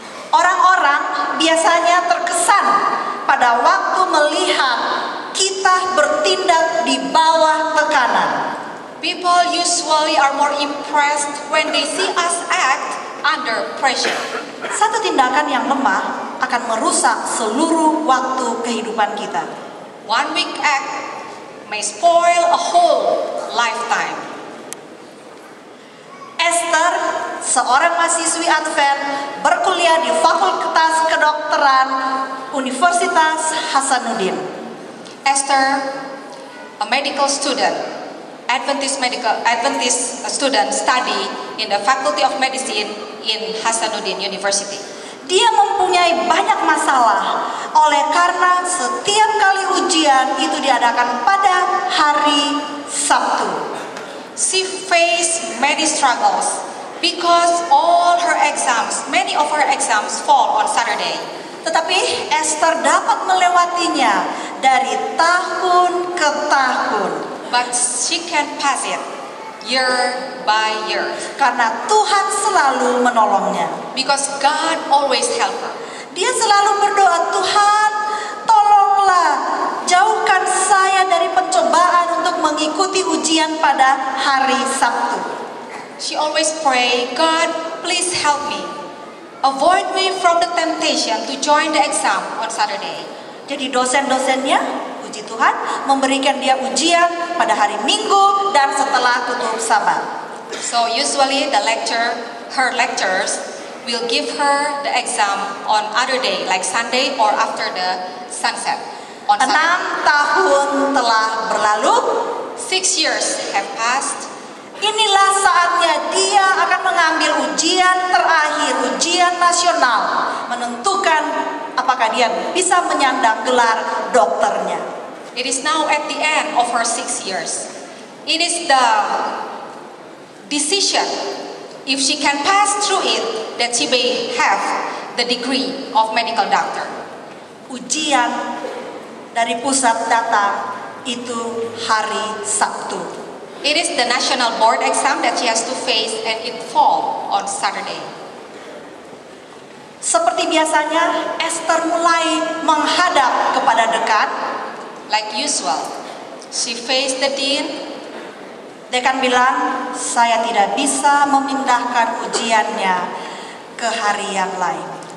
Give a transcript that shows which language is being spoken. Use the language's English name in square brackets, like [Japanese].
[Indonesian] Orang-orang biasanya terkesan pada waktu melihat kita bertindak di bawah tekanan. [English] People usually are more impressed when they see us act under pressure. [Indonesian] Satu tindakan yang lemah akan merusak seluruh waktu kehidupan kita. [English] One weak act may spoil a whole lifetime. [Indonesian] Esther, seorang mahasiswi Advent, berkuliah di Fakultas Kedokteran Universitas Hasanuddin. [English] Esther, a medical student. Adventist student study in the Faculty of Medicine in Hasanuddin University. [Indonesian] Dia mempunyai banyak masalah oleh karena setiap kali ujian itu diadakan pada hari Sabtu. [English] She faced many struggles because all her exams, many of her exams fall on Saturday. [Indonesian] Tetapi Esther dapat melewatinya dari tahun ke tahun. [English] But she can pass it year by year. [Indonesian] Karena Tuhan selalu menolongnya. [English] Because God always help her. [Indonesian] dia selalu berdoa, Tuhan tolonglah jauhkan saya dari pencobaan untuk mengikuti ujian pada hari Sabtu. [English] She always pray, God please help me, avoid me from the temptation to join the exam on Saturday. [Indonesian] Jadi dosen-dosennya, puji Tuhan, memberikan dia ujian pada hari Minggu dan setelah tutup Sabat. [English] So usually the lecture, her lectures will give her the exam on other day, like Sunday or after the sunset. [Indonesian] 6 tahun telah berlalu. [English] 6 years have passed. [Indonesian] Inilah saatnya dia akan mengambil ujian terakhir, ujian nasional, menentukan apakah dia bisa menyandang gelar dokternya. [English] It is now at the end of her 6 years. It is the decision if she can pass through it that she may have the degree of medical doctor. [Indonesian] Ujian dari pusat datang itu hari Sabtu. [English] It is the national board exam that she has to face and it fall on Saturday. [Indonesian] Seperti biasanya, Esther mulai menghadap kepada dekan. [English] Like usual, she faced the dean. [Indonesian] Dekan bilang, saya tidak bisa memindahkan ujiannya ke hari yang lain.